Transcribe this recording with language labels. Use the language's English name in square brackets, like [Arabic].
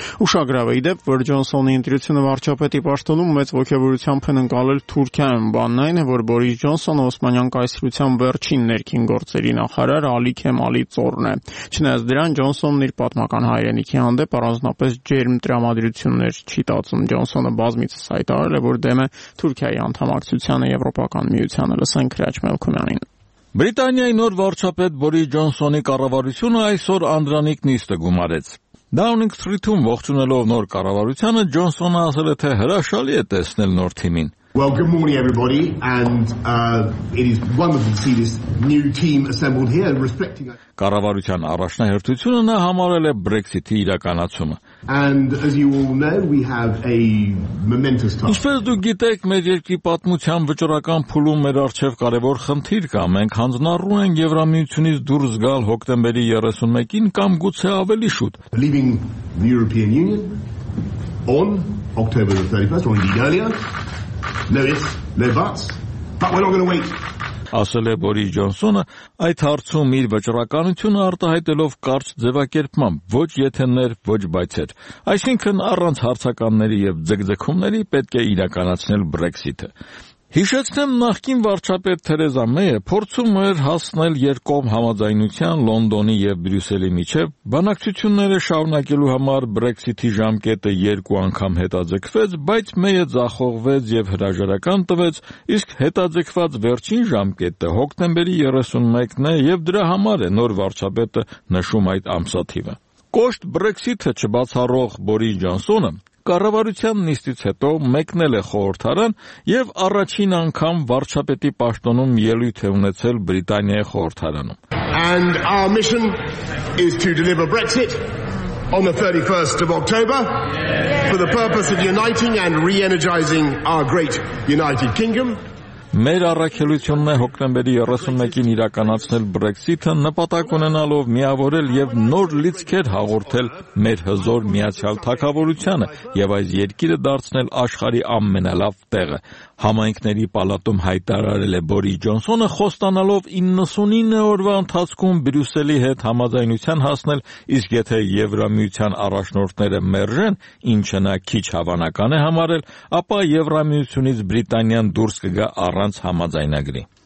[Armenian] Ուշագրավ է, ի դեպ, որ Ջոնսոնի ընտրությունը վարչապետի պաշտոնում մեծ ոգևորությամբ են ընկալել Թուրքիայում, բանն այն է, որ Բորիս Ջոնսոնը Օսմանյան կայսրության վերջին ներքին գործերի Խարար Ալիքեմ Ալի ծորն է։ Չնայած դրան, Ջոնսոնն իր պատմական հայրենիքի հանդեպ առանձնապես ջերմ տրամադրություններ չի տածում։ Ջոնսոնը բազմիցս հայտարարել է, որ դեմ է Թուրքիայի անդամակցությանը Եվրոպական միությանը։ Լսենք Քրիչ Մելքումյանին։ Բրիտանիայի նոր վարչապետ Բորիս Ջոնսոնի կառավարությունը այսօր Անդրանիկ նիստը գումարեց։ Downing Street-ում ողջունելով նոր կառավարությունը, Ջոնսոնը ասել է, թե հրաշալի է տեսնել նոր թիմին։ [English] Well, good morning, everybody, and it is wonderful to see this new team assembled here. Respecting. [Armenian] Կառավարության առաջնահերթությունը նա համարել է Brexit-ի իրականացումը։ [English] And as you all know, we have a momentous task. [Armenian] Ինչպես դուք գիտեք, մեր երկրի պատմության վճռական փուլում մեր առջև կարևոր խնդիր կա։ Մենք հանձնարարում ենք Եվրամիությունից դուրս գալ հոկտեմբերի 31-ին կամ գուցե ավելի շուտ։ [English] Leaving the European Union on October the 31st, or indeed earlier. No, we're not going to wait. [Armenian] Ասել է Բորիս Ջոնսոնը, այդ հարցում իր վճռականությունը արտահայտելով կարճ ձևակերպմամբ, ոչ եթեներ, ոչ բայցեր, այսինքն առանց հարցականների և ձգձգումների պետք է իրականացնել Բրեքսիթը։ Հիշեցնեմ, նախկին վարչապետ Թերեզա Մեյը փորձում էր հասնել երկկողմ համաձայնության Լոնդոնի և Բրյուսելի միջև, բանակցությունները շարունակելու համար Բրեքսիթի ժամկետը երկու անգամ հետաձգվեց, բայց Մեյը ձախողվեց և հրաժարական տվեց, իսկ հետաձգված վերջին ժամկետը հոկտեմբերի 31-ն է, և դրա համար է նոր վարչապետը նշում այդ ամսաթիվը։ Կոշտ Բրեքսիթը չբացառող Բորիս Ջոնսոնը կառավարության նիստից հետո մեկնել է խորհրդարան և առաջին անգամ վարչապետի պաշտոնում ելույթ է ունեցել Բրիտանիայի խորհրդարանում։ [English] And our mission is to deliver Brexit on the 31st of October for the purpose of uniting and re-energizing our great United Kingdom. [Armenian] Մեր առաքելությունն է հոկտեմբերի 31-ին իրականացնել Brexit-ը, նպատակ ունենալով միավորել եւ նոր լիցքեր հաղորդել մեր հզոր միացյալ թակավորությանը եւ այս երկիրը դարձնել աշխարի ամենալավ տեղը։ Համայնքների պալատում հայտարարել է Բորի Ջոնսոնը, խոստանալով 99 օրվա ընթացքում Բրյուսելի հետ համաձայնության հասնել, իսկ եթե Եվրամիության առաջնորդները մերժեն, ինչը նա քիչ հավանական է համարել, ապա Եվրամիությունից Բրիտանիան դուրս կգա առանց համաձայնագրի։